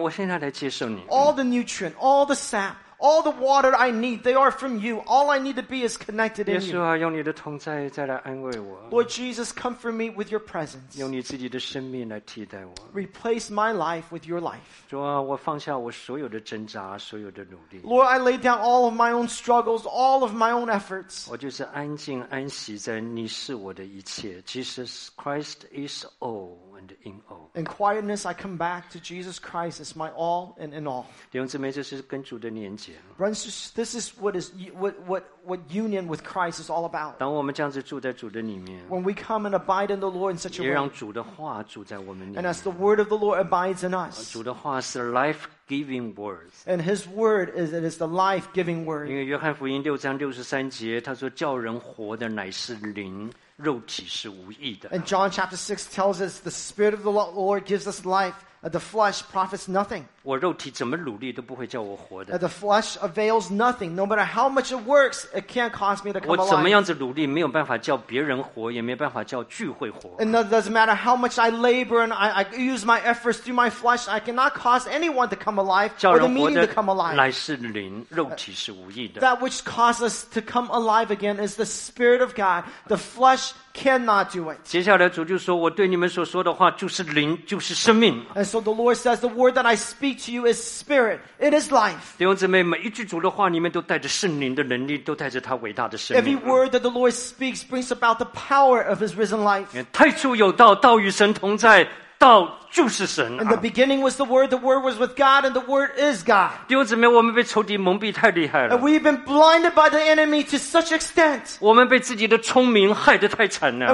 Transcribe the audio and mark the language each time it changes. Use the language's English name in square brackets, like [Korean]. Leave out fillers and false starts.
[Chinese] 我现在来接受你。 [English] All the nutrient, all the sap, all the water I need, they are from you. All I need to be is connected in you. [Chinese] 耶稣啊，用你的同在再来安慰我。 [English] Lord Jesus, comfort me with your presence. [Chinese] 用你自己的生命来替代我。 [English] Replace my life with your life. [Chinese] 主啊，我放下我所有的挣扎，所有的努力。 [English] Lord, I lay down all of my own struggles, all of my own efforts. [Chinese] 我就是安静安息在你是我的一切。 [English] Jesus Christ is all and in all. In quietness, I come back to Jesus Christ as my all and in all. [Chinese] 弟兄姊妹，这是跟主的连结。 [English] Brothers, this is what union with Christ is all about. [Chinese] 当我们这样子住在主的里面。 [English] When we come and abide in the Lord in such a way. [Chinese] 也让主的话住在我们里面。 [English] And as the word of the Lord abides in us. [Chinese] 主的话是 [English] life-giving words. And his word is the life-giving word. [Chinese] 因为约翰福音六章六十三节，他说叫人活的乃是灵。肉体是无益的。 [English] And John chapter 6 tells us the spirit of the Lord gives us life. The flesh profits nothing. [Chinese] 我肉体怎么努力都不会叫我活的。 [English] The flesh avails nothing. No matter how much it works, it can't cause me to come alive. [Chinese] 我怎么样子努力没有办法叫别人活，也没办法叫聚会活。 [English] And it doesn't matter how much I labor and I use my efforts through my flesh, I cannot cause anyone to come alive or the meeting to come alive. [Chinese] 叫人活的乃是灵，肉体是无益的。 [English] That which causes us to come alive again is the spirit of God. The flesh cannot do it. [Chinese] 接下来主就说，我对你们所说的话就是灵，就是生命。 [English] And so the Lord says, the word that I speak. To you is spirit. It is life. [Chinese] 弟兄姊妹，每一句主的话里面都带着圣灵的能力，都带着他伟大的生命。 [English] Every word that the Lord speaks brings about the power of His risen life. [Chinese] 太初有道，道与神同在，道就是神。 [English] In the beginning was the word was with God, and the word is God. [Chinese] 弟兄姊妹，我们被仇敌蒙蔽太厉害了。 [English] And we've been blinded by the enemy to such extent. [Chinese] 我们被自己的聪明害得太惨了。